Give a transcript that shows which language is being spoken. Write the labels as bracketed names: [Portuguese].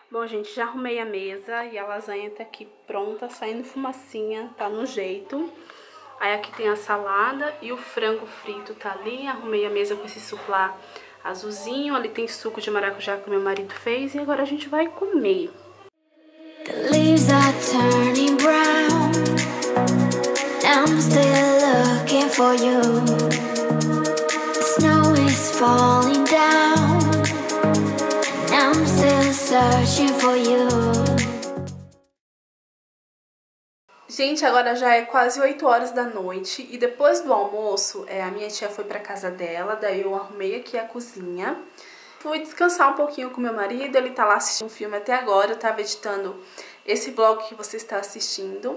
[Portuguese] Bom, gente, já arrumei a mesa e a lasanha tá aqui pronta, saindo fumacinha, tá no jeito. Aí aqui tem a salada e o frango frito tá ali. Arrumei a mesa com esse suflá azulzinho. Ali tem suco de maracujá que meu marido fez. E agora a gente vai comer. [English] The leaves are turning brown. I'm still looking for you. The snow is falling down. I'm still searching for you. [Portuguese] Gente, agora já é quase 8 horas da noite e depois do almoço, a minha tia foi pra casa dela, daí eu arrumei aqui a cozinha. Fui descansar um pouquinho com meu marido, ele tá lá assistindo um filme até agora, eu tava editando esse vlog que você está assistindo.